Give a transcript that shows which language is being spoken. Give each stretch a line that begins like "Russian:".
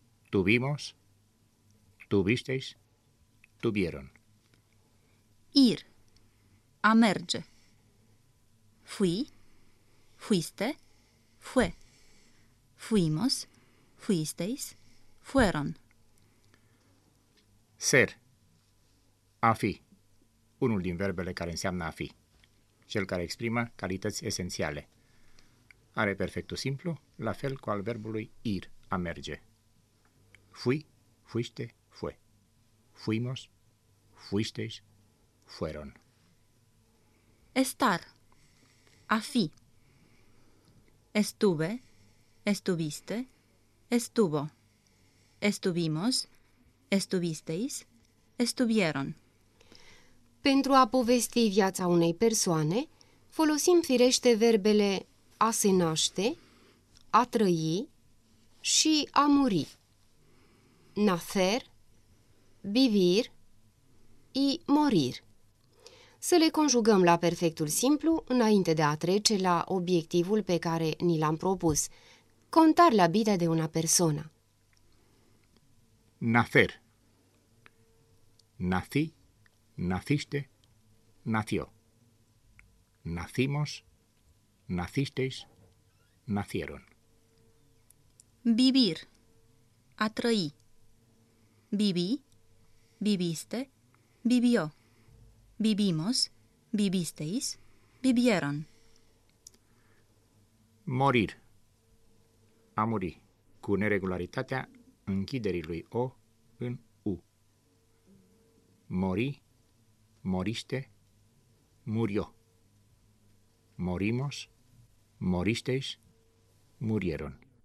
Spanish: Tuvimos, tuvisteis, tuvieron. Ir, emerge. Fui, fuiste, fue. Fuimos, fuisteis, fueron. Ser, a fi.
Romanian: Unul din verbele care înseamnă a fi. Cel care exprimă calități esențiale. Are perfectul simplu, la fel cu al verbului ir, a merge.
Spanish: Fui, fuiste, fue. Fuimos, fuisteis, fueron. Estar, a fi. Estuve, estuviste, estuvo. Estuvimos, estuvisteis, estuvieron.
Romanian: Pentru a povesti viața unei persoane, folosim firește verbele a se naște, a trăi și a muri.
Spanish: Nacer, vivir y morir.
Romanian: Să le conjugăm la perfectul simplu înainte de a trece la obiectivul pe care ni l-am propus.
Spanish: Contar la vida de una persona. Nacer. Nací, naciste, nació. Nacimos, nacisteis, nacieron. Vivir, atraí. Viví, viviste, vivió. Vivimos, vivisteis, vivieron. Morir.
Romanian: A muri, cu neregularitatea închiderii lui O în U.
Spanish: Mori, moriște, murió. Morimos, moristeis, murieron.